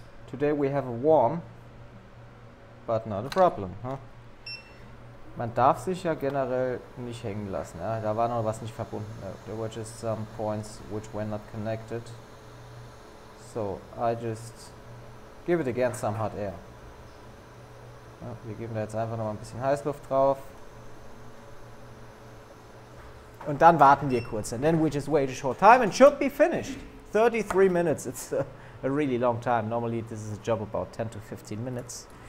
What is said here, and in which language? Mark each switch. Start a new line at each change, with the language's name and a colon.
English: Today we have a worm, but not a problem, huh?
German: Man darf sich ja generell nicht hängen lassen. Ja? Da war noch was nicht verbunden.
English: There were just some points which were not connected. So, I just give it again some hot air.
German: Ja, wir geben da jetzt einfach noch mal ein bisschen Heißluft drauf. Und dann warten wir kurz.
English: And then we just wait a short time and should be finished. 33 minutes. It's a really long time. Normally this is a job about 10 to 15 minutes.